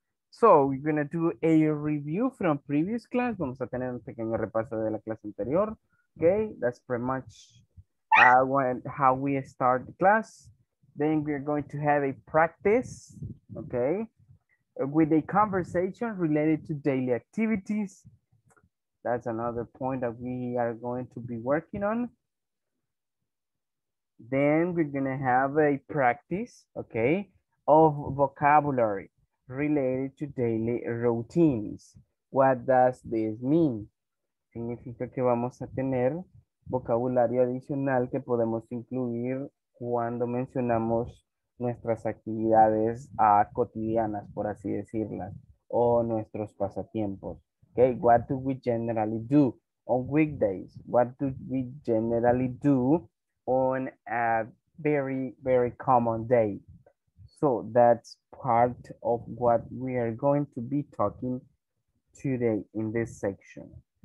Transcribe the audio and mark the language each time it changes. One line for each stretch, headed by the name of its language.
English: So we're gonna do a review from previous class.
Spanish: Vamos a tener un pequeño repaso de la clase anterior.
English: Okay, that's pretty much how we start the class. Then we're going to have a practice, okay, with a conversation related to daily activities. That's another point that we are going to be working on. Then we're gonna have a practice, okay, of vocabulary related to daily routines. What does this mean?
Spanish: Significa que vamos a tener vocabulario adicional que podemos incluir cuando mencionamos nuestras actividades cotidianas, por así decirlas, o nuestros pasatiempos.
English: Okay, what do we generally do on weekdays? What do we generally do on a very, very common day? So that's part of what we are going to be talking today in this section.